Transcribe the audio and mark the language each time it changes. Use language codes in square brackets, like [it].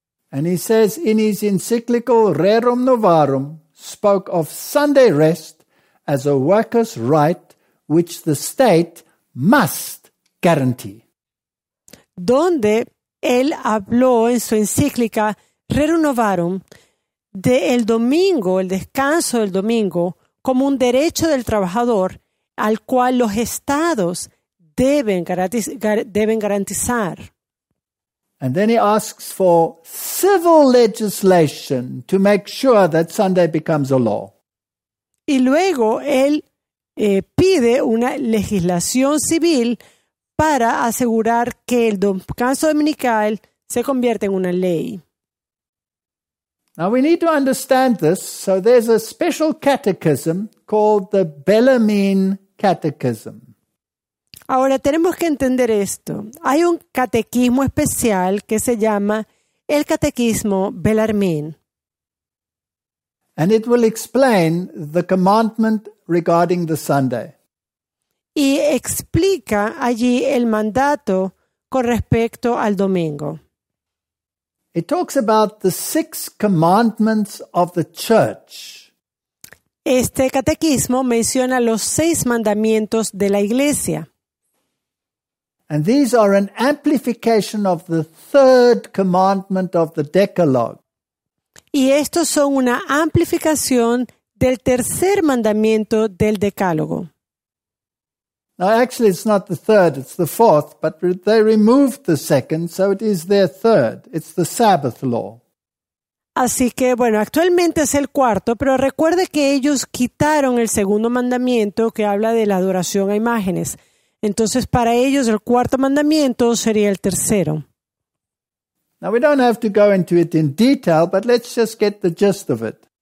[en] And he says in his encyclical Rerum Novarum spoke of Sunday rest as a worker's right which the state must guarantee. [es] Donde él habló en su encíclica Rerum Novarum, de el domingo, el descanso del domingo, como un derecho del trabajador al cual los estados deben garantizar. [en] And then he asks for civil legislation to make sure that Sunday becomes a law. [es] Y luego él pide una legislación civil para asegurar que el descanso dominical se convierte en una ley. [en] Now we need to understand this, so there's a special catechism called the Bellarmine Catechism. [es] Ahora tenemos que entender esto. Hay un catequismo especial que se llama el catequismo Bellarmine. [en] And it will explain the commandment regarding the Sunday. [es] Y explica allí el mandato con respecto al domingo. [en] It talks about the six commandments of the church. [es] Este catequismo menciona los seis mandamientos de la iglesia. [en] And these are an amplification of the third commandment of the Decalogue. [es] Y estos son una amplificación del tercer mandamiento del Decálogo. [en] Now actually it's not the third, it's the fourth, but they removed the second, so it is their third. It's the Sabbath law. [es] Así que bueno, actualmente es el cuarto, pero recuerde que ellos quitaron el segundo mandamiento que habla de la adoración a imágenes. Entonces, para ellos, el cuarto mandamiento sería el tercero. [en] Now, we don't have to go into it in detail, but let's just get the gist of it.